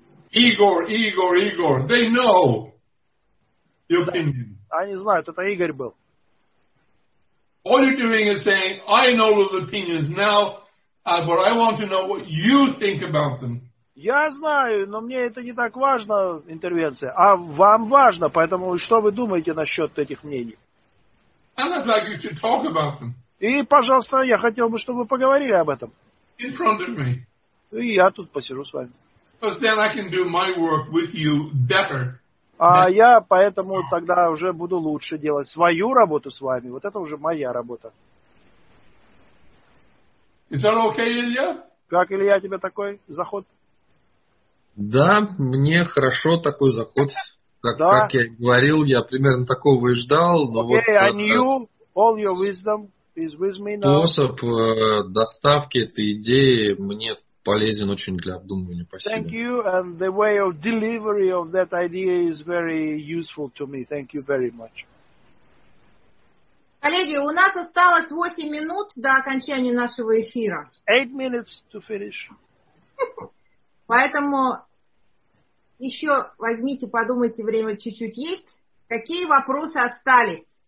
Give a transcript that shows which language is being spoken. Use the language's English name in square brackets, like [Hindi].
[English] Игорь, they know the opinion. [Russian] Они знают, это Игорь был. [English] All you're doing is saying, I know those opinions now, but I want to know what you think about them. [Russian] Я знаю, но мне это не так важно, интервенция. А вам важно, поэтому что вы думаете насчет этих мнений? [English] I'd like you to talk about them. [Russian] И, пожалуйста, я хотел бы, чтобы вы поговорили об этом. [English] In front of me. [Russian] И я тут посижу с вами. [English] Because then I can do my work with you better. [Russian] А я поэтому тогда уже буду лучше делать свою работу с вами. Вот это уже моя работа. [English] Is that okay, Илья? [Russian] Как, Илья, тебе такой заход? Да, мне хорошо такой заход. Как, да? Как я и говорил, я примерно такого и ждал. Но [English] okay, [Russian] вот, [English] I knew all your wisdom is with me now. [Russian] Способ доставки этой идеи мне полезен очень для обдумывания. Спасибо. [English] Thank you, and the way of delivery of that idea is very useful to me. Thank you very much. [Russian] Коллеги, у нас осталось 8 минут до окончания нашего эфира. [English] 8 minutes to finish. [Russian] Поэтому еще возьмите, подумайте, время чуть-чуть есть. Какие вопросы остались?